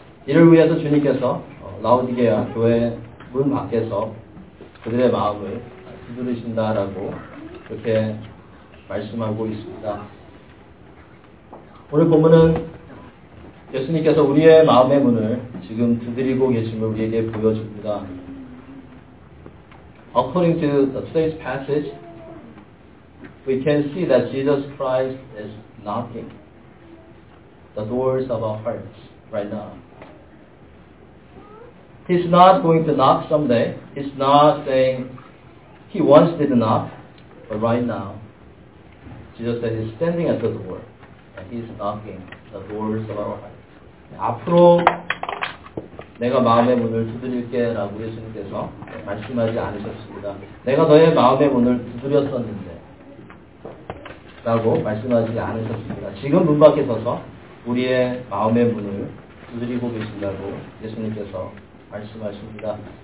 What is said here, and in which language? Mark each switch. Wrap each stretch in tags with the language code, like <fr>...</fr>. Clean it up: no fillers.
<ko>이를 위해서 주님께서 라오디게아 교회 문 밖에서 그들의 마음을 두드리신다라고 그렇게 말씀하고 있습니다. 오늘 본문은 예수님께서 우리의 마음의 문을 지금 두드리고 계심을 우리에게 보여줍니다.</ko> <en>According to today's passage, we can see that Jesus Christ is knocking the doors of our hearts right now. He's not going to knock someday. He's not saying he once did knock, but right now, Jesus said he's standing at the door and he's knocking the doors of our hearts.</en> <ko>앞으로 내가 마음의 문을 두드릴게 라고 예수님께서 말씀하지 않으셨습니다. 내가 너의 마음의 문을 두드렸었는데 라고 말씀하지 않으셨습니다. 지금 문 밖에 서서 우리의 마음의 문을 두드리고 계신다고 예수님께서 말씀하십니다.</ko>